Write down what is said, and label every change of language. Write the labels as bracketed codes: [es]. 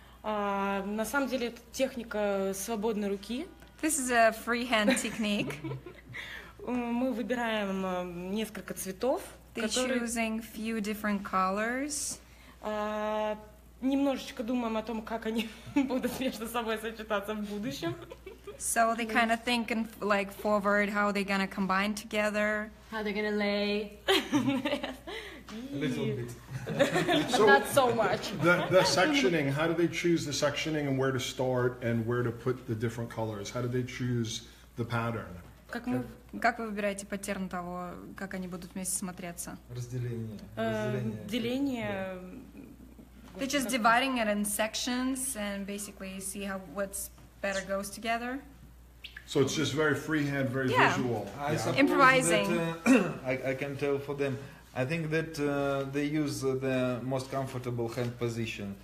[ru] На самом деле, техника свободной руки. [en] This is a freehand technique. [ru] Мы выбираем несколько цветов. [en] They're choosing few different colors. [ru] Немножечко думаем о том, как они будут между собой сочетаться в будущем. [en] So they kind of think and like forward how they're gonna combine together. How they're gonna lay. A little bit. So not so much. The sectioning. How do they choose the sectioning and where to start and where to put the different colors? How do they choose the pattern? [ru] Как вы выбираете паттерн того, как они будут вместе смотреться? Разделение. [en] They're just dividing it in sections and basically see how what's better goes together. So it's just very freehand, very visual. Improvising. I can tell for them. I think that they use the most comfortable hand position.